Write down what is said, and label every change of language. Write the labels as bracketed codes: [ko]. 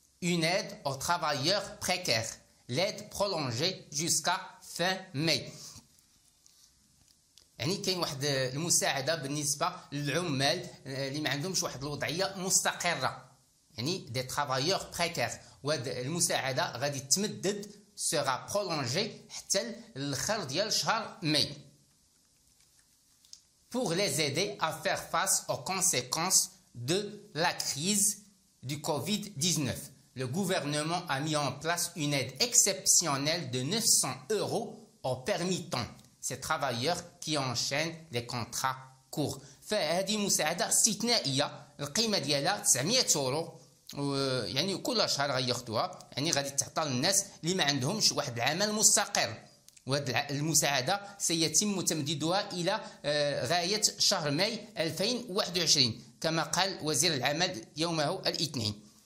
[ar] اون ايد او ترافايور بريكير ليد برولونجي جوسكا فان ماي، يعني كاين واحد المساعده بالنسبه للعمال اللي ما عندهمش واحد الوضعيه مستقره، يعني دي ترافايور بريكير، وهاد المساعده غادي تمدد سوغا برولونجي حتى الاخر ديال شهر ماي [fr] pour les aider à faire face aux conséquences de la crise du Covid-19. Le gouvernement a mis en place une aide exceptionnelle de 900 euros au permis temps. Ces travailleurs qui enchaînent les contrats courts. [ar] Fait, هذه مساعدة استثنائية، القيمة ديالها 900 يورو، يعني كل شهر غياخدوها، يعني غادي تعطى للناس اللي ما عندهمش واحد العمل مستقر. وهذه المساعدة سيتم تمديدها إلى غاية شهر ماي 2021 كما قال وزير العمل يومه الاثنين.